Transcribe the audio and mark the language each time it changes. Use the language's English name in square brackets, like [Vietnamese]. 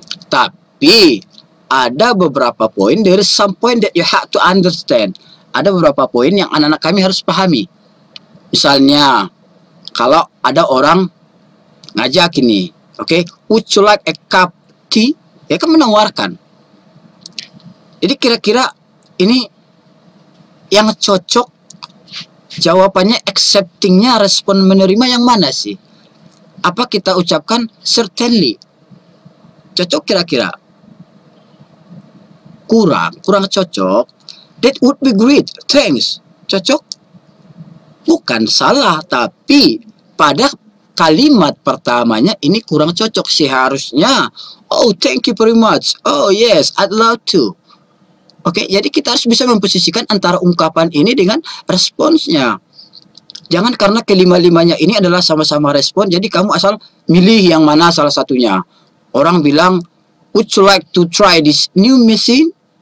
[Indonesian] Tapi, ada beberapa poin, [English] there is some point that you have to understand. [Indonesian] Ada beberapa poin yang anak-anak kami harus pahami. Misalnya, kalau ada orang ngajak ini, oke, okay? [English] Would you like a cup tea? [Indonesian] Dia kan menawarkan. Jadi kira-kira ini yang cocok jawabannya, acceptingnya, respon menerima yang mana sih? Apa kita ucapkan certainly? Cocok kira-kira? Kurang cocok. [English] That would be great, thanks. [Indonesian] Cocok? Bukan salah, tapi pada kalimat pertamanya ini kurang cocok sih harusnya. [English] Oh, thank you very much. Oh, yes, I'd love to. [Indonesian] Oke, jadi kita harus bisa memposisikan antara ungkapan ini dengan responsnya. Jangan karena kelima-limanya ini adalah sama-sama respon, jadi kamu asal milih yang mana salah satunya. Orang bilang, [English] would you like to try this new machine?